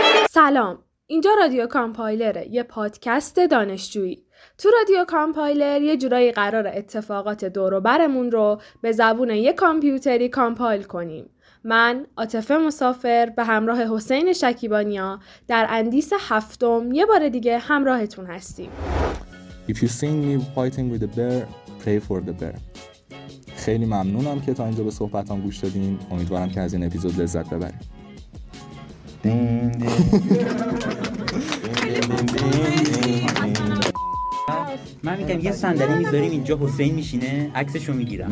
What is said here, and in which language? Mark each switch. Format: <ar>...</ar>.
<fa>سلام، اینجا رادیو کامپایلره، یه پادکست دانشجویی. تو رادیو کامپایلر یه جورایی قرار اتفاقات دور و برمون رو به زبون یه کامپیوتری کامپایل کنیم. من عاطفه مسافر به همراه حسین شکیبانیا در اندیس هفتم یه بار دیگه همراهتون هستیم.</fa> <en>If you see me fighting with a bear, pray for the bear.</en> <fa>خیلی ممنونم که تا اینجا به صحبتام گوش دادین. امیدوارم که از این اپیزود لذت ببرید. من میگم یه صندلی میذاریم اینجا، حسین میشینه عکسشو میگیرم.</fa>